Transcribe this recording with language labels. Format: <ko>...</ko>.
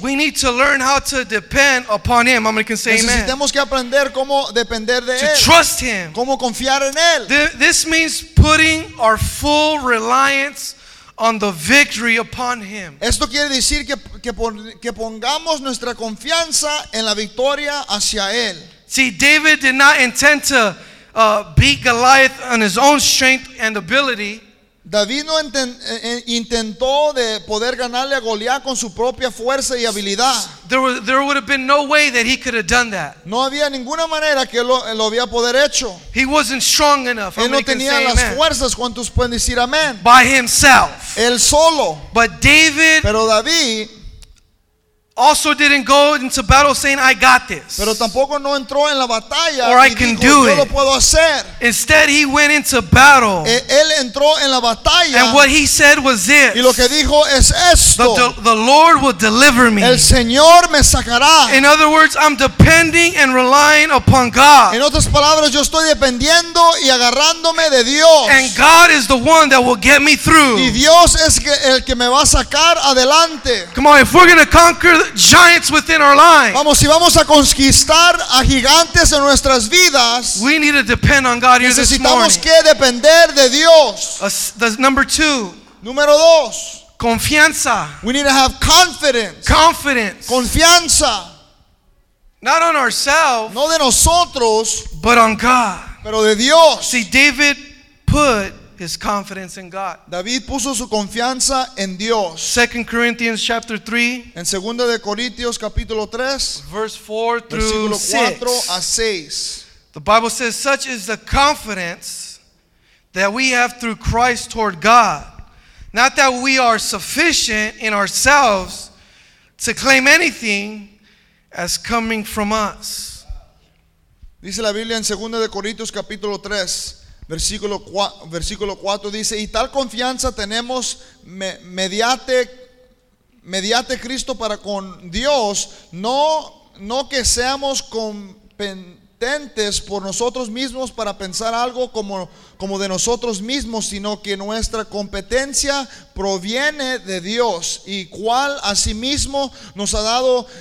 <en>we need to learn how to depend upon Him. I'm going to say amen.</en> <es>Necesitamos que aprender cómo depender de</es> <en>to</en> <es>él,</es> <en>trust Him.</en> <es>Cómo confiar en él.</es> <en>This means putting our full reliance on the victory upon Him.</en> <es>Esto quiere decir que pongamos nuestra confianza en la victoria hacia Él.</es> <en>See, David did not intend to beat Goliath on his own strength and ability.</en> <es>David no intentó de poder ganarle a Goliat con su propia fuerza y habilidad.</es> <en>There would have been no way that he could have done that.</en> <es>No había ninguna manera que lo había poder hecho.</es> <en>He wasn't strong enough.</en> <es>Él no tenía las fuerzas. ¿Cuántos pueden decir amén?</es> <en>By himself.</en> <es>Él solo.</es> <en>But David.</en> <es>Pero David.</es> <en>also didn't go into battle saying, I got this.</en> <es>Pero tampoco no entró en la batalla,</es> <en>or I</en> <es>y</es> <en>can</en> <es>dijo,</es> <en>do</en> <es>yo lo puedo hacer.</es> <en>It. Instead, he went into battle.</en> <es>Él entró en la batalla,</es> <en>and what he said was this.</en> <es>Y lo que dijo es esto.</es> <en>The Lord will deliver me.</en> <es>El Señor me sacará.</es> <en>In other words, I'm depending and relying upon God.</en> <es>En otras palabras, yo estoy dependiendo y agarrándome de Dios.</es> <en>And God is the one that will get me through.</en> <es>Y Dios es el que me va a sacar adelante.</es> <en>Come on, if we're going to conquer giants within our lives.</en> <es>Vamos, si vamos a conquistar a gigantes en nuestras vidas.</es> <en>We need to depend on God.</en> <es>Necesitamos que depender de Dios.</es> <en>Number two.</en> <es>Número dos. Confianza.</es> <en>We need to have confidence. Confidence.</en> <es>Confianza.</es> <en>Not on ourselves.</en> <es>No de nosotros.</es> <en>But on God.</en> <es>Pero de Dios.</es> <en>See, David put his confidence in God.</en> <es>David puso su confianza en Dios.</es> <en>2 Corinthians chapter 3.</en> <es>En 2 de Corintios capítulo 3.</es> <en>Verse 4 through 6. The Bible says, such is the confidence that we have through Christ toward God. Not that we are sufficient in ourselves to claim anything as coming from us.</en> <es>Dice la Biblia en 2 de Corintios capítulo 3. Versículo 4 dice, y tal confianza tenemos mediante Cristo para con Dios, no que seamos competentes por nosotros mismos para pensar algo como de nosotros mismos, sino que nuestra competencia proviene de Dios, y cual asimismo nos ha dado</es>